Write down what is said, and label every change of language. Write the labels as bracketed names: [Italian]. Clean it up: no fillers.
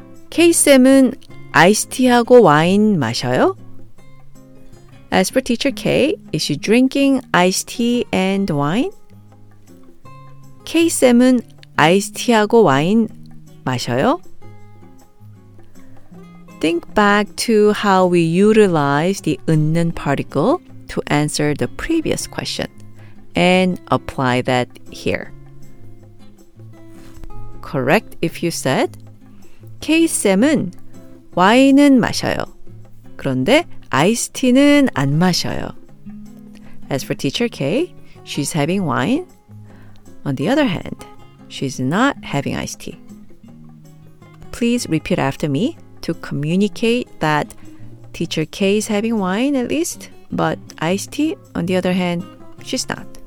[Korean] K쌤은 아이스티하고 와인 마셔요? [English] As for teacher K, is she drinking iced tea and wine? [Korean] K쌤은 아이스티하고 와인 마셔요? [English] Think back to how we utilize the 은는 particle to answer the previous question and apply that here. Correct if you said, [Korean] K쌤은 와인은 마셔요. 그런데 아이스티는 안 마셔요. [English] As for teacher K, she's having wine. On the other hand, she's not having iced tea. Please repeat after me to communicate that teacher K is having wine at least, but iced tea, on the other hand, she's not.